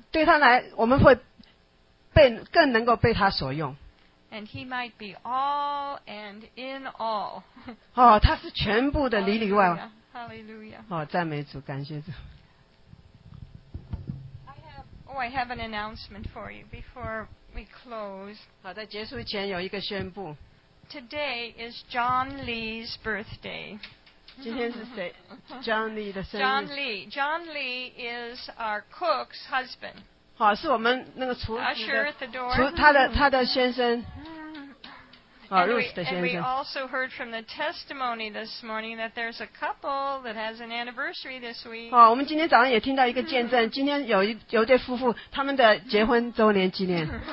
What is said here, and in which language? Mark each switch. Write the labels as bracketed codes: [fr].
[zh] 对他来，我们会更能够被他所用。 [en] And he might be all and in all. [zh] 哦，他是全部的里里外外。 [en] Hallelujah. [zh] 哦，赞美主，感谢主。 [en] Oh, I have an announcement for you before we close. [zh] 好，在结束前有一个宣布。 [en] Today is John Lee's birthday. [zh] 今天是谁 ？John Lee 的生日。 [en] John Lee. John Lee is our cook's husband. [zh] 好，是我们那个厨子的。 [en] Usher at the door. [zh] 他的先生。好 ，Ruth 的先生。 [en] And we also heard from the testimony this morning that there's a couple that has an anniversary this week. [zh] 哦，我们今天早上也听到一个见证，今天有一对夫妇他们的结婚周年纪念。